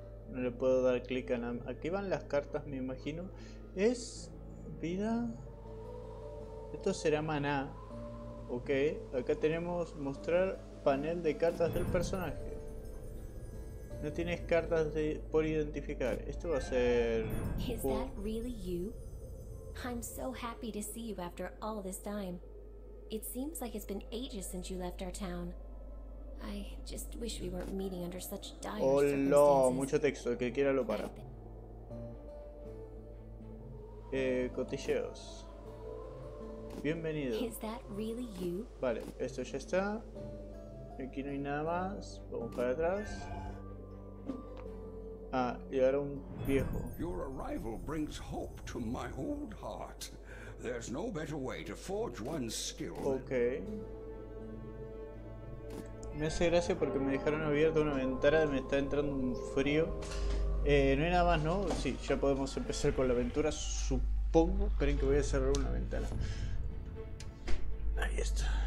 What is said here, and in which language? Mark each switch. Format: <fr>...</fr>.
<es>No le puedo dar clic a nada. Aquí van las cartas, me imagino. Es vida. Esto será maná. Ok, acá tenemos mostrar panel de cartas del personaje. No tienes cartas de, por identificar. Esto va a ser.</es> <en>Is that really you? I'm so happy to see you after all this time. It seems like it's been ages since you left our town. I just wish we weren't meeting under such dire circumstances.</en> <es>Oh, no, mucho texto, que quiera lo para. Cotilleos. Bienvenido.</es> <en>Is that really you?</en> <es>Vale, esto ya está. Aquí no hay nada más. Vamos para atrás. Ah, y ahora un viejo.</es> <en>Your arrival brings hope to my old heart. There's no better way to forge one's skill. Okay.</en> <es>Me hace gracia porque me dejaron abierta una ventana y me está entrando un frío. No hay nada más, ¿no? Sí, ya podemos empezar con la aventura, supongo. Esperen que voy a cerrar una ventana. Ahí está.</es>